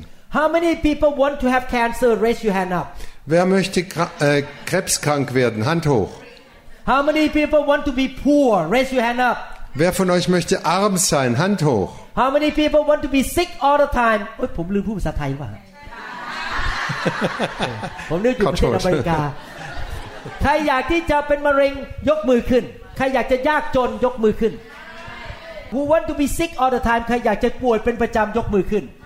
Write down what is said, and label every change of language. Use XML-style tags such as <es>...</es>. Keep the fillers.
<en>How many people want to have cancer? Raise your hand up.</en> <de>Wer möchte krebskrank werden? Hand hoch.</de> <en>How many people want to be poor? Raise your hand up.</en> <de>Wer von euch möchte arm sein? Hand hoch.</de> <en>How many people want to be sick all the time?</en> <th>โอ้ยผมลืมพูดภาษาไทยว่ะ ผมนึกอยู่ประเทศอเมริกา ใครอยากที่จะเป็นมะเร็งยกมือขึ้น ใครอยากจะยากจนยกมือขึ้น</th> <en>Who want to be sick all the time</en> <th>ใครอยากจะป่วยเป็นประจำยกมือขึ้น</th>